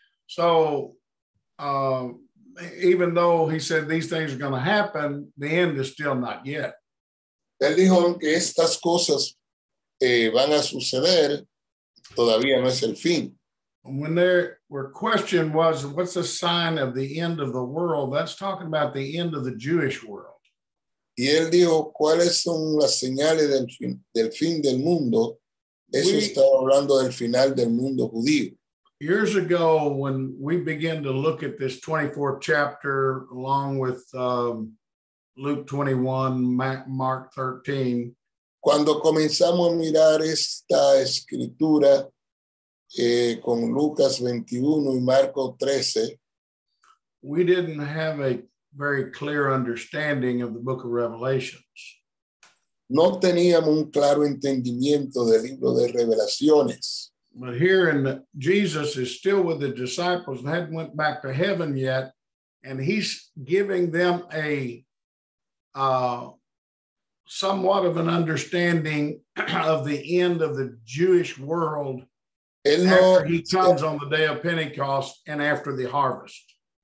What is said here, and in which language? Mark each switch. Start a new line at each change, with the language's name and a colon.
English: So, even though he said these things are going to happen, the end is still not yet.
Spanish: Él dijo que estas cosas van a suceder, todavía no es el fin.
English: When there were question was, what's the sign of the end of the world? That's talking about the end of the Jewish world.
Spanish: Y él dijo, ¿cuáles son las señales del fin del mundo? Eso estaba hablando del final del mundo judío.
English: Years ago, when we began to look at this 24th chapter, along with Luke 21, Mark 13,
Spanish: cuando comenzamos a mirar esta escritura con Lucas 21 y Marcos 13,
English: we didn't have a very clear understanding of the book of Revelations.
Spanish: No teníamos un claro entendimiento del libro de Revelaciones.
English: But here in Jesus is still with the disciples and hadn't went back to heaven yet, and he's giving them a somewhat of an understanding of the end of the Jewish world on the day of Pentecost and after the harvest.